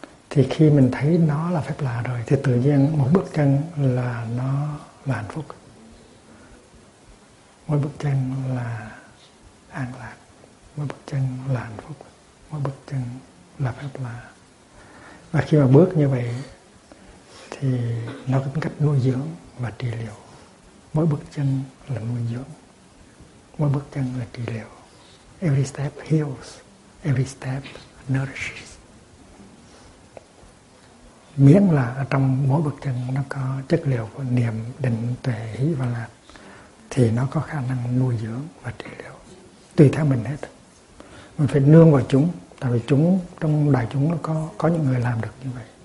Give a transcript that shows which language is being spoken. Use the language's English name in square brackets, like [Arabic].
[Vietnamese] Thì khi mình thấy nó là phép lạ rồi thì tự nhiên một bước chân là nó là hạnh phúc, mỗi bước chân là an lạc, mỗi bước chân là hạnh phúc, mỗi bước chân là phép lạ. Và khi mà bước như vậy thì nó có tính cách nuôi dưỡng và trị liệu. Mỗi bước chân là nuôi dưỡng, mỗi bước chân là trị liệu. [English] Every step heals, every step nourishes. [Vietnamese] Miễn là ở trong mỗi bậc chân nó có chất liệu của niềm, định, tuệ, hỷ và lạc, thì nó có khả năng nuôi dưỡng và trị liệu. Tùy theo mình hết. Mình phải nương vào chúng, tại vì chúng, trong đại chúng nó có những người làm được như vậy.